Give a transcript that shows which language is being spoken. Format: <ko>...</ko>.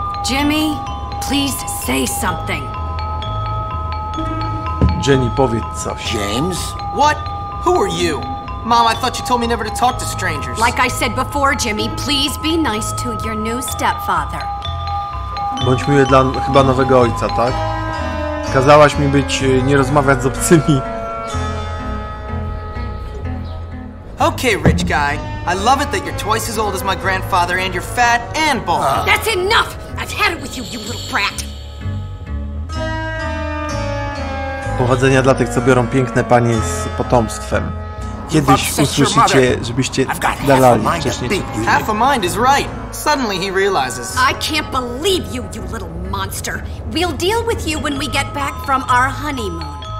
<en>Jimmy, please say something.</en> <pl>Jenny, powiedz coś.</pl> <en>James? What? Who are you? Mom, I thought you told me never to talk to strangers. Like I said before, Jimmy, please be nice to your new stepfather.</en> <pl>Bądź miły dla chyba nowego ojca, tak? Kazałaś mi być, nie rozmawiać z obcymi.</pl> <en>Okay, rich guy. I love it that you're twice as old as my grandfather and you're fat and bald. That's enough! I've had it with you, you little brat!</en> <pl>Powodzenia dla tych, co biorą piękne panie z potomstwem. Kiedyś usłyszycie, żebyście dalali wcześniej.</pl> <en>Half a mind is right. Suddenly he realizes. I can't believe you, you little monster. We'll deal with you when we get back from our honeymoon.</en>